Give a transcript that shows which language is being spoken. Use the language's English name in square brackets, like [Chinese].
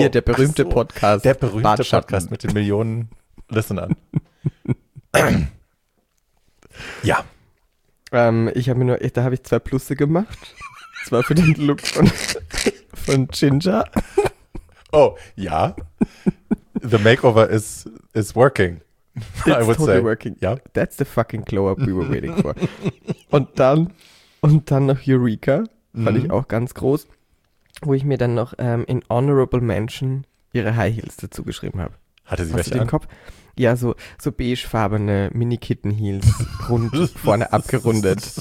[German] Wir, der berühmte Podcast. Der berühmte Podcast mit den Millionen Listenern. Ja. Ich habe mir nur, da habe ich zwei Plusse gemacht. Zwar für den Look von Ginger. Oh, ja. [English] The makeover is working. It's I would totally say. Working. Yeah. That's the fucking glow-up we were waiting for. [German] Und dann noch Eureka, fand ich auch ganz groß, wo ich mir dann noch in Honorable Mention ihre High Heels dazu geschrieben habe. Hatte sie welche an? Kopf? Ja, so beigefarbene Mini-Kitten-Heels, rund vorne abgerundet.